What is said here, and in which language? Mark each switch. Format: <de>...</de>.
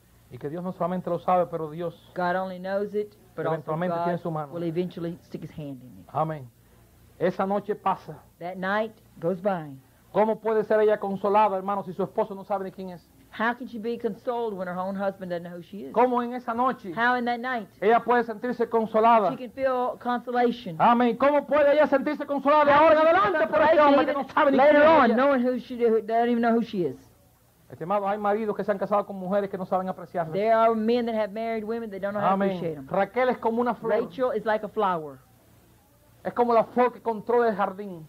<es>Y que Dios no solamente lo sabe, pero Dios.</es> <en>God only knows it, but</en> <es>eventualmente</es> <en>also God</en> <es>tiene su mano.</es> <en>Will eventually stick his hand in it.</en> <es>Amén. Esa noche pasa.</es> <en>That night goes by.</en> <es>¿Cómo puede ser ella consolada, hermano, si su esposo no sabe de quién es?</es> <en>How can she be consoled when her own husband doesn't know who she is?</en> <es>¿Cómo en esa noche?</es> <en>How in that night?</en> <es>Ella puede sentirse consolada.</es> <en>She can feel consolation.</en> <es>Amén. ¿Cómo puede ella sentirse consolada ahora en adelante por este hombre que no sabe ni quién es ella?</es> <en>Later on, knowing who she doesn't even know who she is.</en> <es>Estimado, hay maridos que se han casado con mujeres que no saben apreciarlas.</es> <en>There are men that have married women that don't know how</en> <es>Amén.</es> <en>To appreciate them.</en> <es>Raquel es como una flor.</es> <en>Rachel is like a flower.</en> <es>Es como la flor que controla el jardín.</es>